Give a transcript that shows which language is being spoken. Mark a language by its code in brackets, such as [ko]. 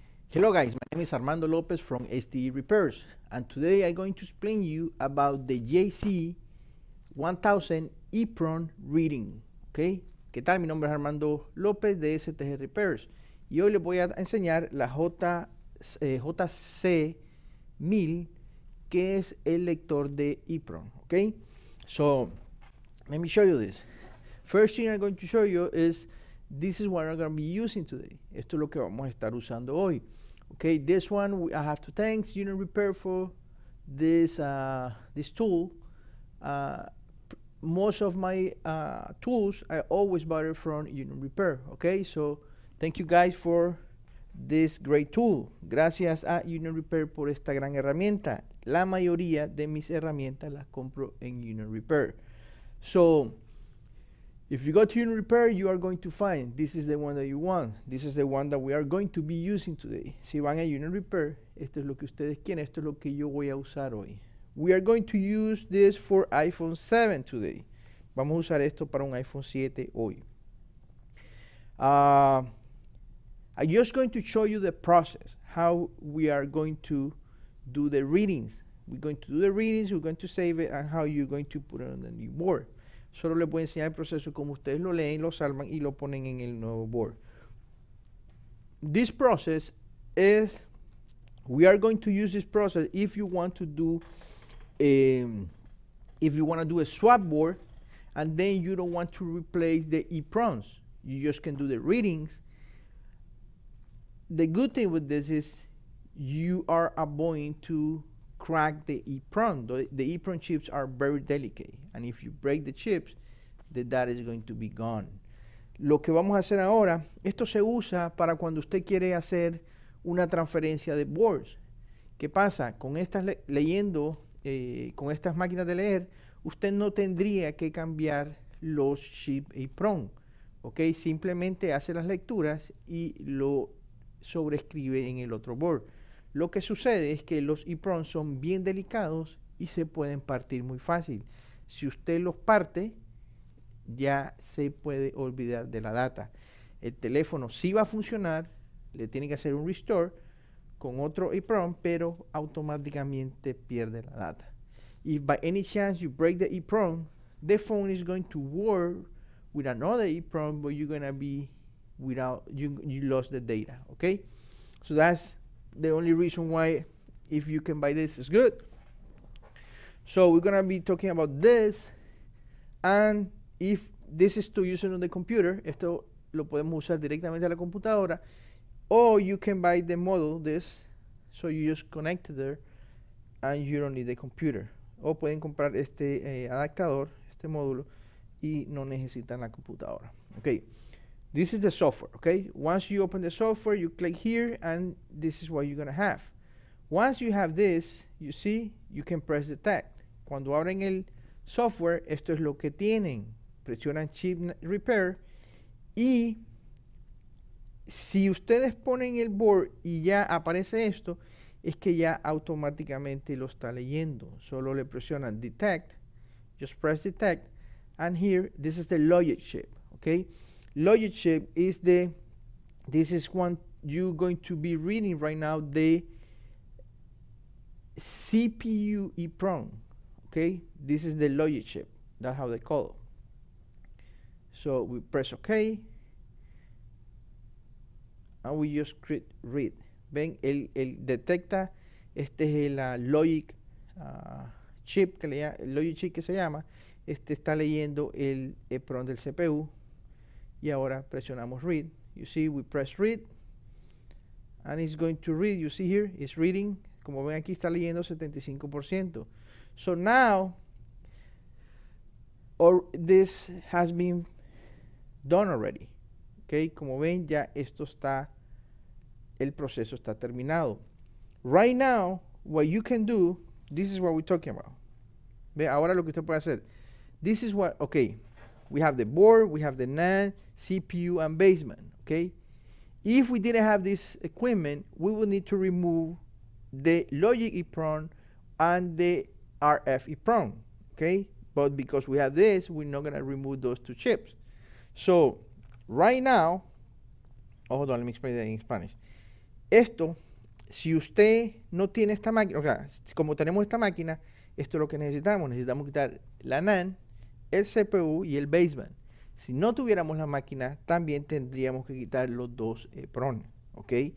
[en] Hello guys, my name is Armando Lopez from SDE Repairs, and today I'm going to explain you about the JBC 1000 EEPROM reading. [es] Okay, ¿qué tal? Mi nombre es Armando Lopez de STG Repairs y hoy les voy a enseñar la JC 1000, que es el lector de EEPROM. [en] Okay, so let me show you this. First thing I'm going to show you is this is what I'm going to be using today. [es] Esto es lo que vamos a estar usando hoy. [en] Okay, this one I have to thank Union Repair for this this tool. Most of my tools I always buy it from Union Repair. Okay, so thank you guys for this great tool. [es] Gracias a Union Repair por esta gran herramienta. La mayoría de mis herramientas las compro en Union Repair. [en] So if you go to Union Repair, you are going to find this is the one that you want. This is the one that we are going to be using today. [es] Si van a Union Repair, esto es lo que ustedes quieren, esto es lo que yo voy a usar hoy. [en] We are going to use this for iPhone 7 today. [es] Vamos a usar esto para un iPhone 7 hoy. [en] I'm just going to show you the process, how we are going to do the readings. We're going to do the readings, we're going to save it, and how you're going to put it on the new board. [es] Solo les voy a enseñar el proceso como ustedes lo leen, lo salvan y lo ponen en el nuevo board. [en] This process is, we are going to use this process if you want to do a swap board, and then you don't want to replace the EEPROMs. You just can do the readings. The good thing with this is you are avoiding to crack the EEPROM. The EEPROM chips are very delicate, and if you break the chips, the data is going to be gone. [es] Lo que vamos a hacer ahora, esto se usa para cuando usted quiere hacer una transferencia de boards. ¿Qué pasa? Con estas con estas máquinas de leer, usted no tendría que cambiar los chips EEPROM. ¿Ok? Simplemente hace las lecturas y lo sobrescribe en el otro board. Lo que sucede es que los EEPROM son bien delicados y se pueden partir muy fácil. Si usted los parte, ya se puede olvidar de la data. El teléfono sí va a funcionar, le tiene que hacer un restore con otro EEPROM, pero automáticamente pierde la data. [en] If by any chance you break the EEPROM, the phone is going to work with another EEPROM, but you're going to be without, you lost the data, okay? So that's the only reason why, if you can buy this, is good. So we're going to be talking about this, and if this is to use it on the computer, [es] esto lo podemos usar directamente a la computadora, [en] or you can buy the model, this, so you just connect it there, and you don't need the computer. [es] O pueden comprar este adaptador, este módulo, y no necesitan la computadora. [en] Okay. This is the software, okay? Once you open the software, you click here, and this is what you're going to have. Once you have this, you see, you can press detect. [es] Cuando abren el software, esto es lo que tienen. Presionan chip repair. Y si ustedes ponen el board y ya aparece esto, es que ya automáticamente lo está leyendo. Solo le presionan detect. [en] Just press detect. And here, this is the logic chip, okay? Logic chip is the, this is one you're going to be reading right now, the CPU EEPROM, okay? This is the logic chip, that's how they call it. So we press okay, and we just click read. [es] Ven, el detecta, este es el logic chip, que el logic chip que se llama, este está leyendo el EEPROM del CPU. Y ahora presionamos [en] read. You see, we press read. And it's going to read. You see here, it's reading. [es] Como ven aquí, está leyendo 75%. [en] So now, or this has been done already. [es] Okay, como ven, ya esto está, el proceso está terminado. [en] Right now, what you can do, this is what we're talking about. [es] Ve, ahora lo que usted puede hacer. [en] This is what, okay. We have the board, we have the NAND, CPU, and basement, okay? If we didn't have this equipment, we will need to remove the logic EEPROM and the RF EEPROM, okay? But because we have this, we're not gonna remove those two chips. So, right now, oh, hold on, let me explain that in Spanish. [es] Esto, si usted no tiene esta máquina, o sea, como tenemos esta máquina, esto es lo que necesitamos. Necesitamos quitar la NAND, el CPU y el baseband. Si no tuviéramos la máquina, también tendríamos que quitar los dos EEPROM, ¿ok?